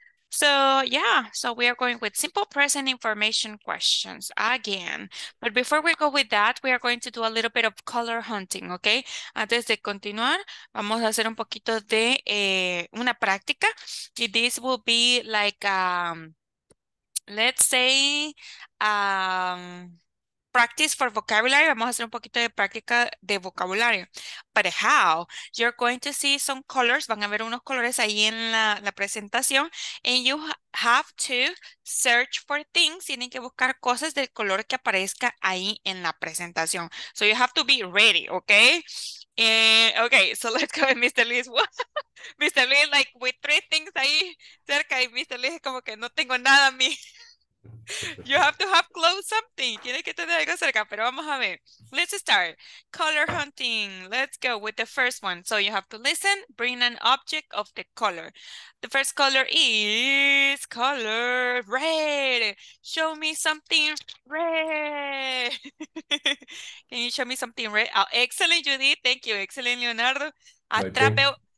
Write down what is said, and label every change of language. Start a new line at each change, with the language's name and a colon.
English: So, yeah, so we are going with simple present information questions again. But before we go with that, we are going to do a little bit of color hunting, okay?
Spanish: Antes de continuar, vamos a hacer un poquito de una práctica.
English: This will be like, let's say, practice for vocabulary.
Spanish: Vamos a hacer un poquito de práctica de vocabulario.
English: But how? You're going to see some colors.
Spanish: Van a ver unos colores ahí en la presentación.
English: And you have to search for things.
Spanish: Tienen que buscar cosas del color que aparezca ahí en la presentación.
English: So you have to be ready, okay? Okay, so let's go with Mr. Lee's. Mr. Lee, like, with three things
Spanish: ahí cerca. Y
English: Mr.
Spanish: Lee es como que no tengo nada a mí.
English: You have to have close something.
Spanish: Tiene que tener algo cerca, pero vamos a ver.
English: Let's start. Color hunting. Let's go with the first one. So you have to listen, bring an object of the color. The first color is color red. Show me something red. Can you show me something red? Oh, excellent, Judy. Thank you. Excellent, Leonardo. Atrape.